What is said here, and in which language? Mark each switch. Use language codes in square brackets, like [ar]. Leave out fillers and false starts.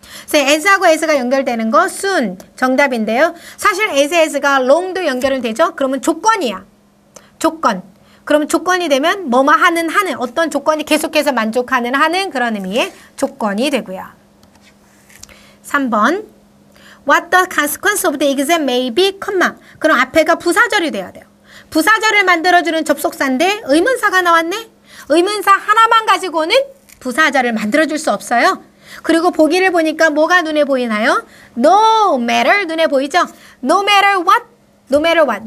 [ko] 그래서 as하고 as가 연결되는 거 soon 정답인데요. 사실 as가 long도 연결은 되죠. 그러면 조건이야. 조건. 그러면 조건이 되면 뭐뭐 하는. 어떤 조건이 계속해서 만족하는 하는 그런 의미의 조건이 되고요. 3번. [en] What the consequence of the exam may be, comma. [ko] 그럼 앞에가 부사절이 돼야 돼요. 부사절을 만들어주는 접속사인데 의문사가 나왔네. 의문사 하나만 가지고는 부사절을 만들어줄 수 없어요. 그리고 보기를 보니까 뭐가 눈에 보이나요? [en] No matter [ko] 눈에 보이죠? [en] No matter what? No matter what?